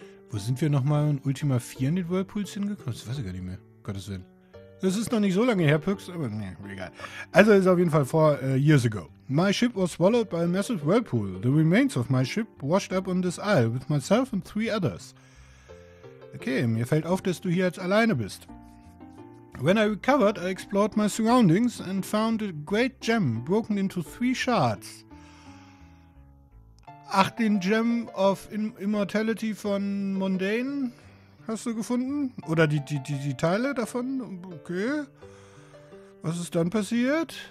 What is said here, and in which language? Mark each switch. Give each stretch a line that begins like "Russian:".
German: Wo sind wir nochmal in Ultima 4 in den Whirlpools hingekommen? Das weiß ich gar nicht mehr. Gottes Willen. Das ist noch nicht so lange her, Pux, aber nee, egal. Also ist auf jeden Fall vor
English: years ago. My ship was swallowed by a massive whirlpool. The remains of my ship washed up on this isle with myself and three others.
German: Okay, mir fällt auf, dass du hier jetzt alleine bist.
English: When I recovered, I explored my surroundings and found a great gem broken into three shards.
German: Ach, den Gem of Immortality von Mundane? Hast du gefunden? Oder die Teile davon? Okay. Was ist dann passiert?